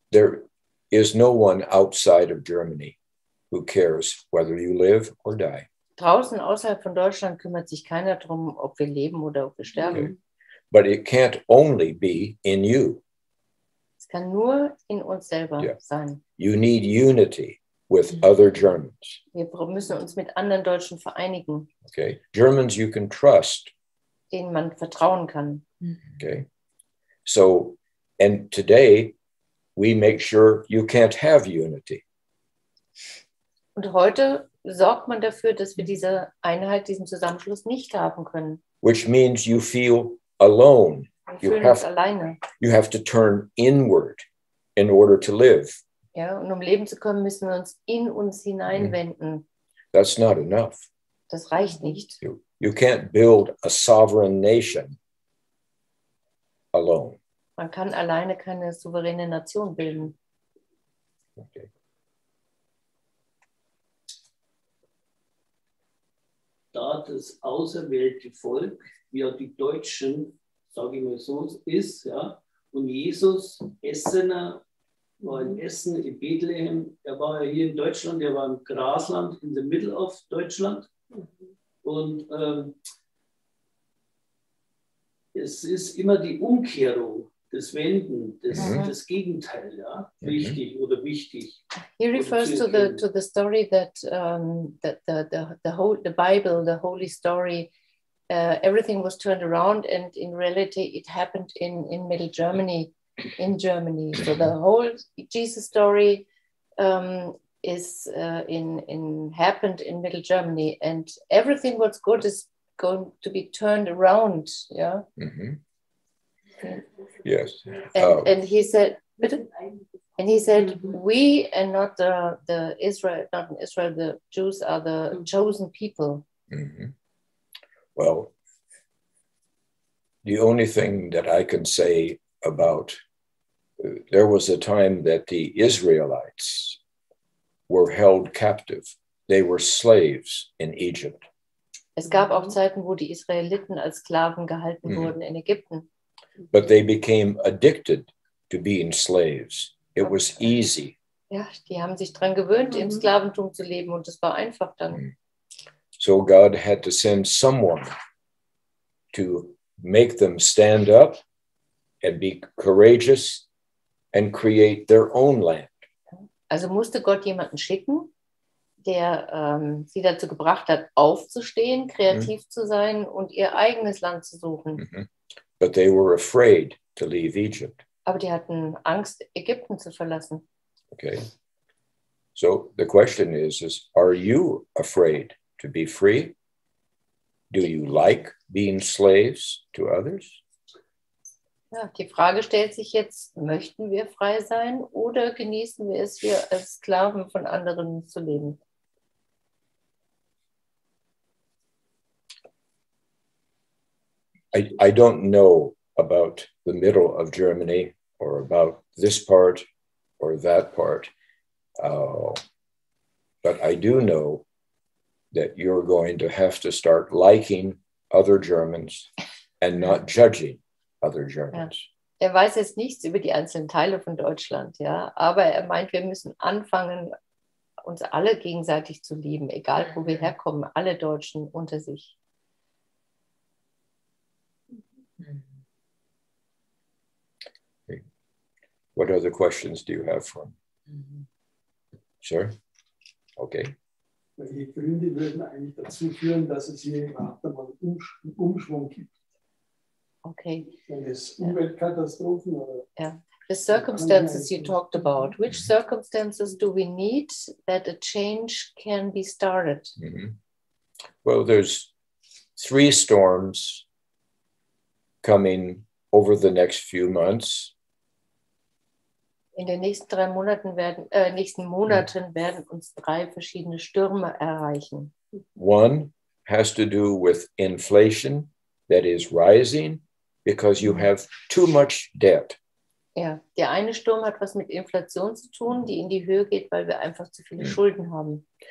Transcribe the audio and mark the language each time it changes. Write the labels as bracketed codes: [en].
[en] There is no one outside of Germany who cares whether you live or die. [de] Draußen außerhalb von Deutschland kümmert sich keiner darum, ob wir leben oder ob wir sterben. [en] Okay. But it can't only be in you. [de] Es kann nur in uns selber sein. [en] You need unity with other Germans. [de] Wir müssen uns mit anderen Deutschen vereinigen. [en] Okay. Germans you can trust. [de] Denen man vertrauen kann. [en] Okay. So, and today we make sure you can't have unity. [de] Und heute sorgt man dafür, dass wir diese Einheit, diesen Zusammenschluss nicht haben können. [en] Which means you feel alone. [de] Wir fühlen uns alleine. [en] You have to turn inward in order to live. [de] Ja, und um leben zu können, müssen wir uns in uns hineinwenden. [en] That's not enough. [de] Das reicht nicht. [en] You can't build a sovereign nation alone. [de] Man kann alleine keine souveräne Nation bilden. [en] Okay. [de] Da das auserwählte Volk, wie auch die Deutschen, sage ich mal so, ist, ja, und Jesus, Essener, war in Essen, in Bethlehem, er war ja hier in Deutschland, er war im Grasland, [en] in the middle of [de] Deutschland. Und es ist immer die Umkehrung, das Wenden, das Gegenteil, ja, richtig oder wichtig. [en] He refers to the story that the Bible, the holy story, everything was turned around, and in reality it happened in Middle Germany. So the whole Jesus story happened in Middle Germany, and everything what's good is going to be turned around. Yeah. Mm-hmm. Yes. And he said, And he said, mm-hmm. we and not the Israel, not in Israel, the Jews are the mm-hmm. chosen people. Mm-hmm. Well, the only thing that I can say about, there was a time that the Israelites were held captive. They were slaves in Egypt. [de] Es gab auch Zeiten, wo die Israeliten als Sklaven gehalten mm-hmm. wurden in Ägypten. [en] But they became addicted to being slaves. It was easy. [de] Ja, die haben sich dran gewöhnt, mm-hmm. im Sklaventum zu leben, und es war einfach dann. Mm-hmm. [en] So God had to send someone to make them stand up and be courageous and create their own land. [de] Also musste Gott jemanden schicken, der sie dazu gebracht hat, aufzustehen, kreativ mm-hmm. zu sein und ihr eigenes Land zu suchen. [en] Mm-hmm. But they were afraid to leave Egypt. [de] Aber die hatten Angst, Ägypten zu verlassen. [en] Okay. So the question is, are you afraid to be free? Do you like being slaves to others? [de] Ja, die Frage stellt sich jetzt, möchten wir frei sein oder genießen wir es, hier als Sklaven von anderen zu leben? [en] I don't know about the middle of Germany or about this part or that part, but I do know that you're going to have to start liking other Germans and not judging other Germans. [de] Ja. Er weiß jetzt nichts über die einzelnen Teile von Deutschland, ja, aber er meint, wir müssen anfangen, uns alle gegenseitig zu lieben, egal wo wir herkommen, alle Deutschen unter sich. [en] What other questions do you have for him? Mm-hmm. Sir? Okay. [de] Die Gründe würden eigentlich dazu führen, dass es hier gerade mal einen Umschwung gibt. [en] Okay. [de] Wenn es Umweltkatastrophen oder... [en] Yeah. The circumstances you talked about, which circumstances do we need that a change can be started? Mm-hmm. Well, there's three storms coming over the next few months. [de] In den nächsten drei Monaten werden uns drei verschiedene Stürme erreichen. [en] One has to do with inflation that is rising because you have too much debt. [de] Ja, der eine Sturm hat was mit Inflation zu tun, die in die Höhe geht, weil wir einfach zu viele Schulden haben.